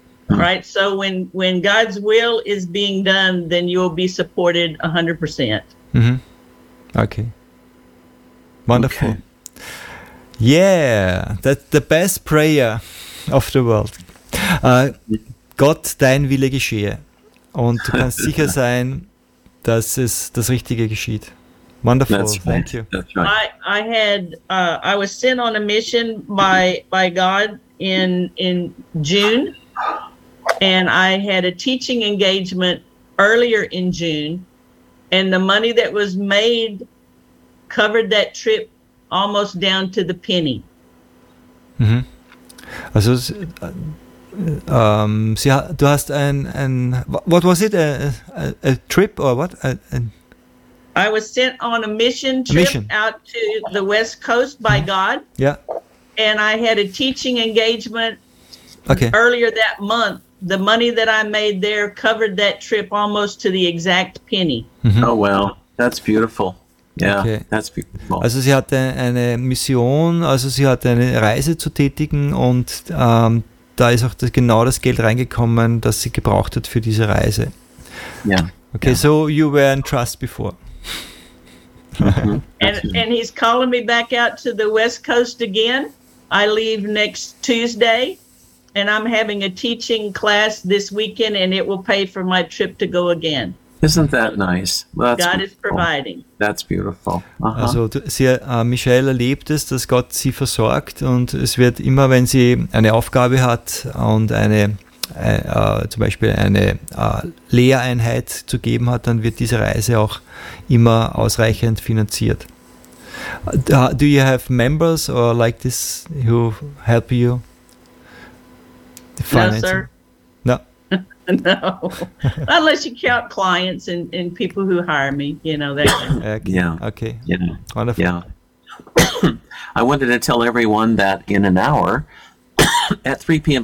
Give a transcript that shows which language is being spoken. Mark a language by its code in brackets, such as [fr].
[en] Right, so when God's will is being done, then you will be supported 100%. Mm-hmm. Okay. Wonderful. Okay. Yeah, that's the best prayer of the world. [de] Gott, dein Wille geschehe. Und du kannst sicher sein, dass es das Richtige geschieht. [en] Wonderful. That's right. Thank you. That's right. I was sent on a mission by God in June. And I had a teaching engagement earlier in June, and the money that was made covered that trip almost down to the penny. Mm-hmm. [de] Also, du hast ein [en] what was it, a trip or what? I was sent on a mission trip out to the West Coast by mm-hmm. God. Yeah. And I had a teaching engagement okay. earlier that month. The money that I made there covered that trip almost to the exact penny. Mm-hmm. Oh, well, that's beautiful. Yeah, okay. That's beautiful. [de] Also sie hatte eine Mission, also sie hatte eine Reise zu tätigen und da ist auch genau das Geld reingekommen, das sie gebraucht hat für diese Reise. [en] Yeah. Okay, yeah. So you were in trust before. Mm-hmm. And he's calling me back out to the West Coast again. I leave next Tuesday. And I'm having a teaching class this weekend, and it will pay for my trip to go again. Isn't that nice? Well, that's God beautiful. Is providing. That's beautiful. Uh-huh. [de] Also, Michelle erlebt es, dass Gott sie versorgt, und es wird immer, wenn sie eine Aufgabe hat und eine, zum Beispiel eine Lehreinheit zu geben hat, dann wird diese Reise auch immer ausreichend finanziert. [en] Do you have members or like this who help you? No, sir. No. No. Unless you count clients and people who hire me, you know that. Okay. Yeah. Wonderful. Yeah. I wanted to tell everyone that in an hour, at 3 p.m.